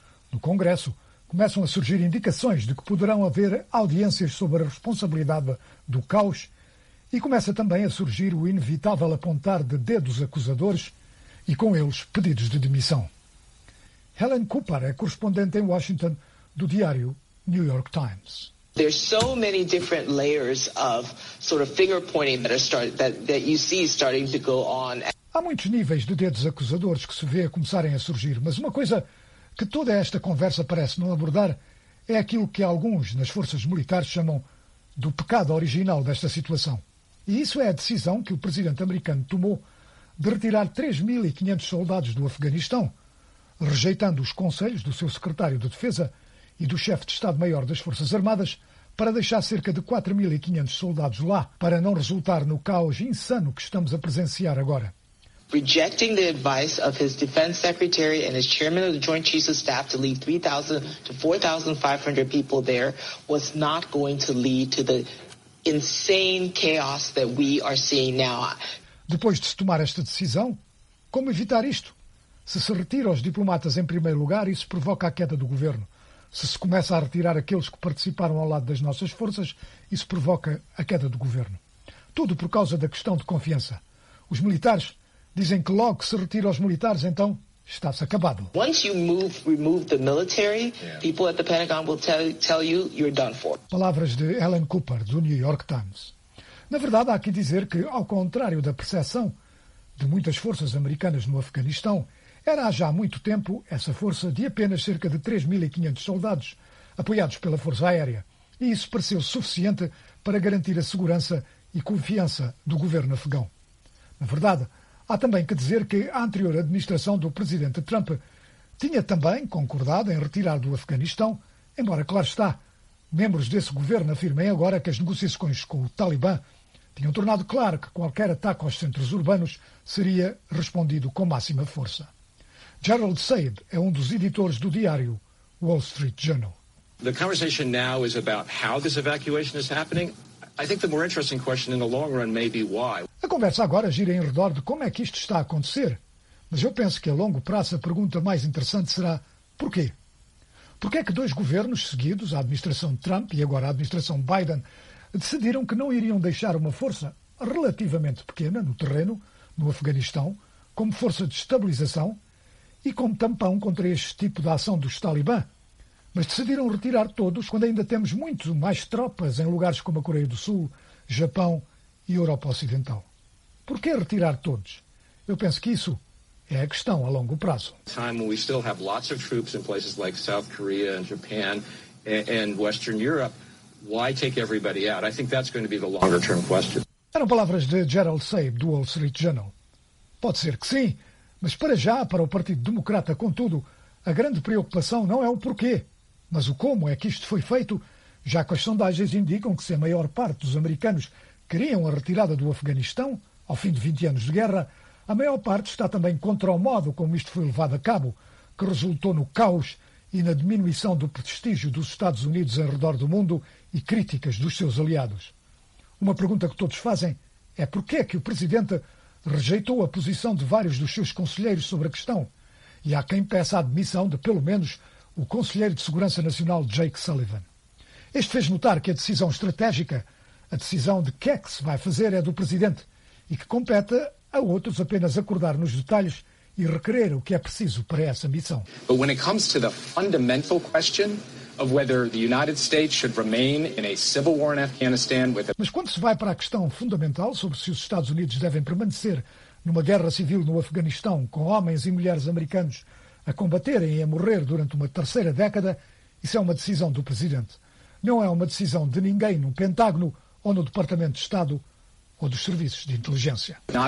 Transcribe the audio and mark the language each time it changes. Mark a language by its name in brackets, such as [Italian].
[Portuguese] No Congresso, começam a surgir indicações de que poderão haver audiências sobre a responsabilidade do caos e começa também a surgir o inevitável apontar de dedos acusadores e, com eles, pedidos de demissão. Helen Cooper é correspondente em Washington do diário New York Times. [English] There's so many different layers of sort of finger pointing that you see starting to go on. [Portuguese] Há muitos níveis de dedos acusadores que se vê começarem a surgir, mas uma coisa que toda esta conversa parece não abordar é aquilo que alguns nas forças militares chamam do pecado original desta situação. E isso é a decisão que o presidente americano tomou de retirar 3.500 soldados do Afeganistão, rejeitando os conselhos do seu secretário de Defesa e do chefe de Estado-Maior das Forças Armadas, para deixar cerca de 4.500 soldados lá, para não resultar no caos insano que estamos a presenciar agora. [English] Rejecting the advice of his defense secretary and his chairman of the Joint Chiefs of Staff to leave 3,000 to 4,500 people there was not going to lead to the insane chaos that we are seeing now. [Portuguese] Depois de se tomar esta decisão, como evitar isto? Se retira os diplomatas em primeiro lugar, isso provoca a queda do governo. Se começa a retirar aqueles que participaram ao lado das nossas forças, isso provoca a queda do governo. Tudo por causa da questão de confiança. Os militares dizem que logo que se retira os militares, então está-se acabado. [English] Once you remove the military, people at the Pentagon will tell you you're done for. [Portuguese] Palavras de Helen Cooper, do New York Times. Na verdade, há que dizer que, ao contrário da percepção de muitas forças americanas no Afeganistão, era já há muito tempo essa força de apenas cerca de 3.500 soldados apoiados pela Força Aérea. E isso pareceu suficiente para garantir a segurança e confiança do governo afegão. Na verdade, há também que dizer que a anterior administração do presidente Trump tinha também concordado em retirar do Afeganistão, embora, claro está, membros desse governo afirmem agora que as negociações com o Talibã tinham tornado claro que qualquer ataque aos centros urbanos seria respondido com máxima força. Gerald Said é um dos editores do diário Wall Street Journal. [English] The conversation now is about how this evacuation is happening. I think the more interesting question in the long run may be why. [Portuguese] A conversa agora gira em redor de como é que isto está a acontecer. Mas eu penso que a longo prazo a pergunta mais interessante será porquê? Porquê é que dois governos seguidos, a administração Trump e agora a administração Biden, decidiram que não iriam deixar uma força relativamente pequena no terreno, no Afeganistão, como força de estabilização e como tampão contra este tipo de ação dos Talibã? Mas decidiram retirar todos quando ainda temos muito mais tropas em lugares como a Coreia do Sul, Japão e Europa Ocidental. Por que retirar todos? Eu penso que isso é a questão a longo prazo. [English] We still have lots of troops in places like South Korea and Japan and Western Europe. Why take everybody out? I think that's going to be the longer term question. [Portuguese] Eram palavras de Gerald Sabe, do Wall Street Journal. Pode ser que sim, mas para já, para o Partido Democrata, contudo, a grande preocupação não é o porquê, mas o como é que isto foi feito, já que as sondagens indicam que se a maior parte dos americanos queriam a retirada do Afeganistão, ao fim de 20 anos de guerra, a maior parte está também contra o modo como isto foi levado a cabo, que resultou no caos e na diminuição do prestígio dos Estados Unidos ao redor do mundo e críticas dos seus aliados. Uma pergunta que todos fazem é porquê que o presidente rejeitou a posição de vários dos seus conselheiros sobre a questão. E há quem peça a admissão de, pelo menos, o conselheiro de Segurança Nacional, Jake Sullivan. Este fez notar que a decisão estratégica, a decisão de que é que se vai fazer, é do presidente e que compete a outros apenas acordar nos detalhes e requerer o que é preciso para essa missão. [English] But when it comes to the fundamental question of whether the United States should remain in a civil war in Afghanistan with [Portuguese] Mas quando se vai para a questão fundamental sobre se os Estados Unidos devem permanecer numa guerra civil no Afeganistão com homens e mulheres americanos a combaterem e a morrer durante uma terceira década, isso é uma decisão do presidente. Não é uma decisão de ninguém no Pentágono ou no Departamento de Estado ou dos serviços de inteligência.